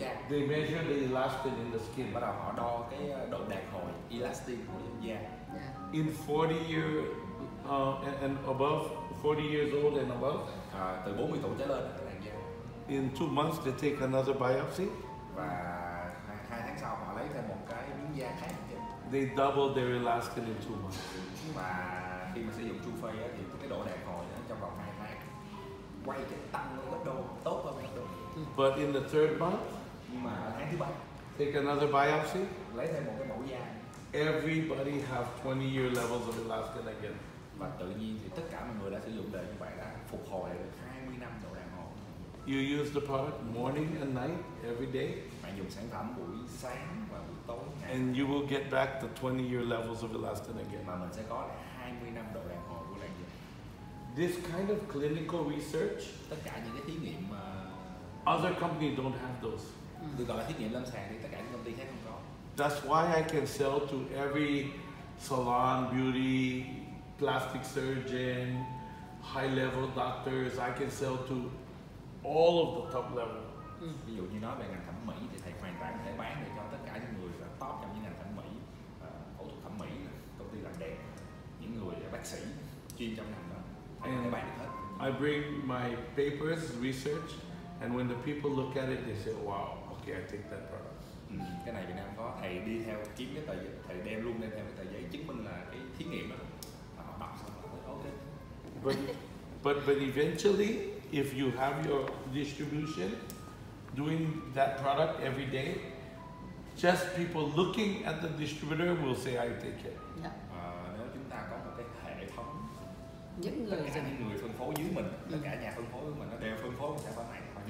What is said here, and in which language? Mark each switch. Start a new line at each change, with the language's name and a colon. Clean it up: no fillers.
English: They measure the elastin in the skin.
Vietnamese: Bắt đầu họ đo cái độ đàn hồi, elastin của da.
English: Yeah. In 40 year and above, 40 years old and above.
Vietnamese: Từ 40 tuổi trở lên là làn da.
English: In 2 months they take another biopsy.
Vietnamese: Và 2 tháng sau họ lấy thêm một cái miếng da khác.
English: They double their elastin in 2 months.
Vietnamese: Và khi mà sử dụng chu phê thì cái độ đàn hồi trong vòng 2 tháng quay trở tăng gấp đôi, tốt hơn gấp đôi.
English: But in the third month,
Vietnamese: mà tháng thứ ba,
English: take another biopsy.
Vietnamese: Lấy thêm một cái mẫu da.
English: Everybody have 20 year levels of elastin again.
Vietnamese: Và tự nhiên thì tất cả mọi người đã sử dụng đời như vậy đã phục hồi được 20 năm độ đàn hồi.
English: You use the product morning and night every day.
Vietnamese: Bạn dùng sản phẩm buổi sáng và buổi tối.
English: And you will get back the 20 year levels of elastin again.
Vietnamese: Mà mình sẽ có 20 năm độ đàn hồi của làn da.
English: This kind of clinical research.
Vietnamese: Tất cả những cái thí nghiệm mà
English: other companies don't have those.
Vietnamese: Được gọi là thí nghiệm lâm sàng thì tất cả những công ty khác không có.
English: That's why I can sell to every salon, beauty, plastic surgeon, high level doctors. I can sell to all of the top level.
Vietnamese: Ví dụ như nói về ngành thẩm mỹ thì thầy hoàn toàn có thể bán được cho tất cả những người là top trong những ngành thẩm mỹ, phẫu thuật thẩm mỹ, công ty làm đẹp, những người là bác sĩ chuyên trong ngành đó, thầy có thể bán được hết.
English: I bring my papers, research, and when the people look at it, they say, "Wow, okay, I take that product."
Vietnamese: Cái này Việt Nam có, thầy đi theo kiếm cái tờ giấy, thầy đem luôn đem theo cái tờ giấy chứng minh là cái thí nghiệm đó. Họ đọc xong họ thấy ok.
English: But eventually, if you have your distribution doing that product every day, just people looking at the distributor will say, "I take it." Yeah.
Vietnamese: Nếu chúng ta có một cái hệ thống, những người tất cả những người phân phối dưới mình, tất cả nhà phân phối của mình nó đều phân phối một sản phẩm này.